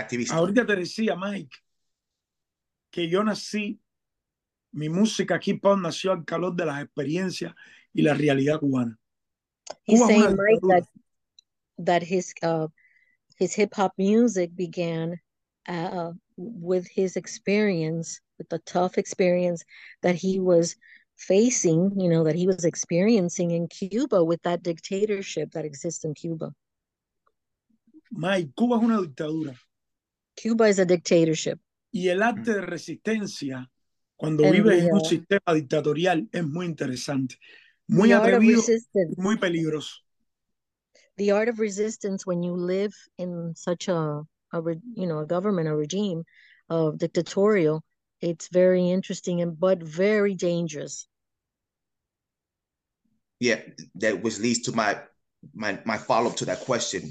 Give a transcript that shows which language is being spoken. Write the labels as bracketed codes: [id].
[es] Ahorita te decía, Mike, que yo nací, mi música aquí, Pau, nació al calor de las experiencias y la realidad cubana. [en] He's saying, Mike, that his hip-hop music began with his experience, with the tough experience that he was facing, you know, that he was experiencing in Cuba with that dictatorship that exists in Cuba. [es] May, Cuba es una dictadura. [en] Cuba is a dictatorship. [es] Y el arte de resistencia cuando vives en un sistema dictatorial es muy interesante, muy atrevido, muy peligroso. [en] The art of resistance when you live in such a government, a regime of dictatorial, it's very interesting and but very dangerous. Yeah, that was leads to my follow-up to that question.